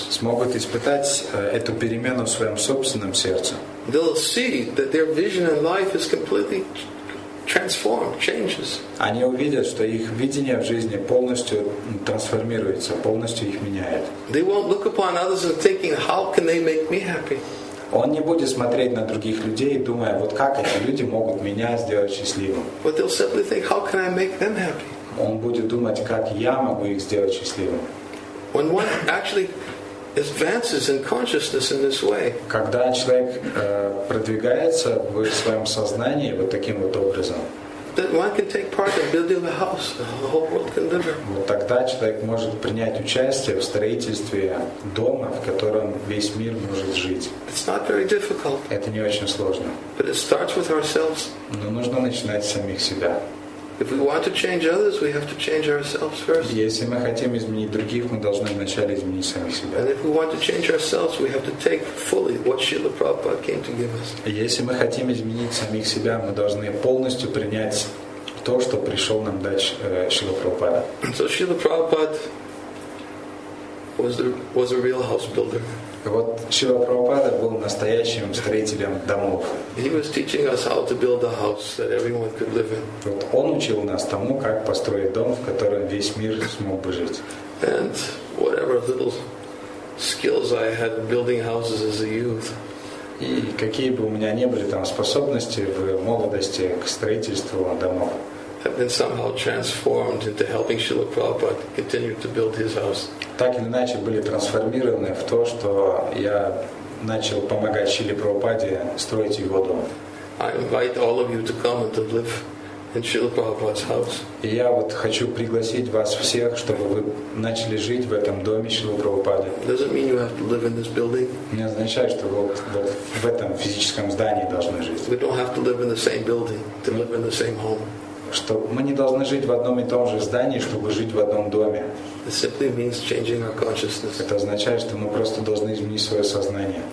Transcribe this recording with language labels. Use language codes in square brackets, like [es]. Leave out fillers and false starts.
[ru] смогут испытать эту перемену в своем собственном сердце. [en] They'll see that their vision in life is completely transformed, changes. [ru] Они увидят, что их видение в жизни полностью трансформируется, полностью их меняет. [en] They won't look upon others and thinking, how can they make me happy? [ru] Он не будет смотреть на других людей, думая, вот как эти люди могут меня сделать счастливым. [en] But they'll simply think, how can I make them happy? [ru] Он будет думать, как я могу их сделать счастливым. [en] When one actually advances in consciousness in this way. [ru] Когда человек продвигается в своем сознании вот таким вот образом. [en] Then one can take part in building a house the whole world can live. [ru] Вот тогда человек может принять участие в строительстве дома, в котором весь мир может жить. [en] It's not very difficult. [ru] Это не очень сложно. [en] But it starts with ourselves. [ru] Но нужно начинать с самих себя. [en] If we want to change others, we have to change ourselves first. [ru] Если мы хотим изменить других, мы должны вначале изменить самих себя. [en] And if we want to change ourselves, we have to take fully what Srila Prabhupada came to give us. [ru] Если мы хотим изменить самих себя, мы должны полностью принять то, что пришел нам дать Шрила Прабхупада. [en] So Srila Prabhupada was a real house builder. [ru] Вот Шрила Прабхупада был настоящим строителем домов. [en] He was teaching us how to build a house that everyone could live in. [ru] Вот он учил нас тому, как построить дом, в котором весь мир смог бы жить. [en] And whatever little skills I had building houses as a youth. [ru] И какие бы у меня не были там способности в молодости к строительству домов. [en] Have been somehow transformed into helping Srila Prabhupada continue to build his house. [ru] Так или иначе были трансформированы в то, что я начал помогать Шриле Прабхупаде строить его дом. [en] I invite all of you to come and to live in Srila Prabhupada's house. [ru] И я вот хочу пригласить вас всех, чтобы вы начали жить в этом доме Шрилы Прабхупады. [en] Doesn't mean you have to live in this building. [ru] Не означает, что вы вот в этом физическом здании должны жить. [en] We don't have to live in the same building to live in the same home. [ru] Что мы не должны жить в одном и том же здании, чтобы жить в одном доме. [en] It simply means changing our consciousness. [ru] Это означает, что мы просто должны изменить свое сознание.